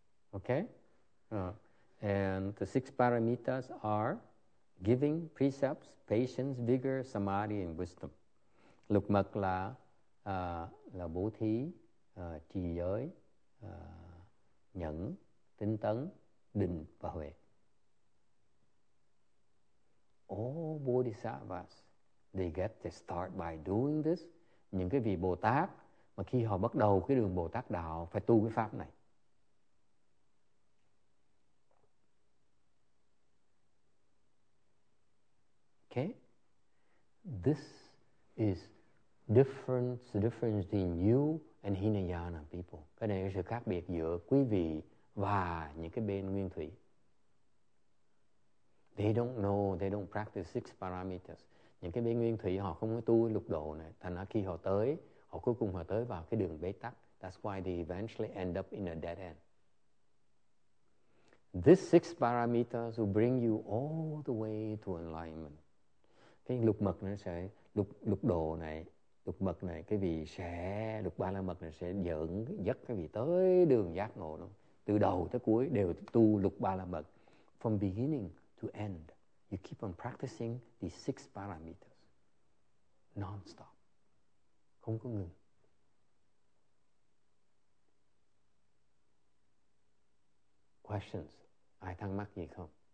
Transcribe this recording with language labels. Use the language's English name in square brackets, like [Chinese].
[English] Okay? And the six paramitas are giving, precepts, patience, vigor, samadhi, and wisdom. [Vietnamese] Lục mật là bố thí, trì giới, nhẫn, tinh tấn, định và huệ. [English] All bodhisattvas, they get to start by doing this. [Vietnamese] Những cái vị Bồ Tát mà khi họ bắt đầu cái đường Bồ Tát đạo phải tu cái pháp này. [English] Okay? This is the difference between you and Hinayana people. [Vietnamese] Cái này là sự khác biệt giữa quý vị và những cái bên nguyên thủy. [English] They don't know, they don't practice six parameters. [Vietnamese] Những cái bên nguyên thủy họ không có tu lục độ này. Thành ra khi họ tới, họ cuối cùng họ tới vào cái đường bế tắc. [English] That's why they eventually end up in a dead end. These six parameters will bring you all the way to enlightenment. [Vietnamese] Cái lục mật nó sẽ, lục độ này, cái vị sẽ, lục ba la mật này sẽ dẫn cái vị tới đường giác ngộ đó. Từ đầu tới cuối đều tu lục ba la mật. [English] From beginning to end, you keep on practicing these six parameters non-stop. [Vietnamese] Không có ngừng. [English] Questions? [Vietnamese] Ai thắc mắc gì không?